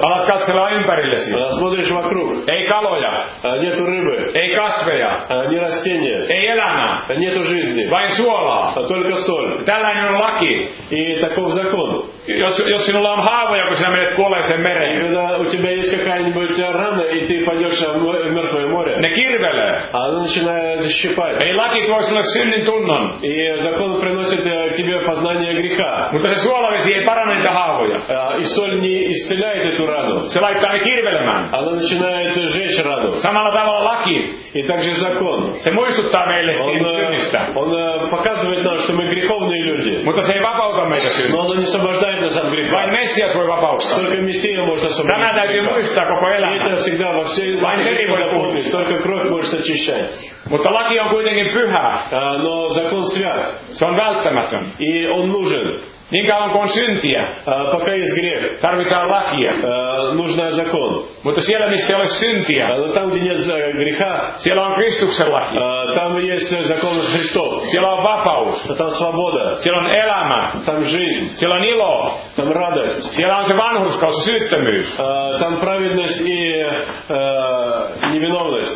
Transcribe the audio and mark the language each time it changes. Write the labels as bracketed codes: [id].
[fi] Alat katsella ympärillesi. [ru] Смотришь вокруг. [fi] Ei kaloja. [ru] Нету рыбы. [fi] Ei kasveja. [ru] Не растения. [fi] Ei elämää. [ru] Нету жизни. [fi] Vain suolaa. [ru] Только соль. [fi] Tällainen on laki. [ru] И таков закон. [fi] Jos sinulla on haavoja, kun sinä menet kuolleeseen mereen. [ru] И когда у тебя есть какая-нибудь рана, и ты пойдешь в мертвое море. [fi] Ne kirvelee. [ru] Оно начинает щипать. [fi] Ei laki tuo sinulle synnin tunnon. [ru] И закон приносит тебе познание греха. [fi] Mutta se suolavesi ei paranna niitä haavoja. [ru] И соль не исцеляет. [fi] Se laittaa ne kirvelemään. [ru] Она начинает жечь раду. [fi] Samalla tavalla laki. [ru] И также закон. [fi] Se muistuttaa meille siitä synnistä. [ru] Он показывает нам, что мы греховные люди. [fi] Mutta se ei vapauta meitä synnistä. [ru] Но оно не освобождает нас от греха. [fi] Vain Messias voi vapauttaa. [ru] Только Мессия может освободить. [fi] Tämä täytyy muistaa koko elämä. [ru] Это всегда во всей [fi] Vain veri voi puhdistaa. [ru] Только кровь может очищать. [fi] Mutta laki on kuitenkin pyhä. [ru] Но закон свят. [fi] Se on välttämätön. [ru] И он нужен. [fi] Niin kauan kuin on syntiä, [ru] пока есть грех, [fi] tarvitaan lakia, [ru] нужен закон. [fi] Mutta siellä, missä ei ole syntiä, [ru] там, где нет греха, [fi] siellä on Kristuksen laki. [ru] Там есть закон Христов. [fi] Siellä on vapaus. [ru] Там свобода. [fi] Siellä on elämä. [ru] Там жизнь. [fi] Siellä on ilo. [ru] Там радость. [fi] Siellä on se vanhurskaus, syyttömyys. [ru] Там праведность и невиновность.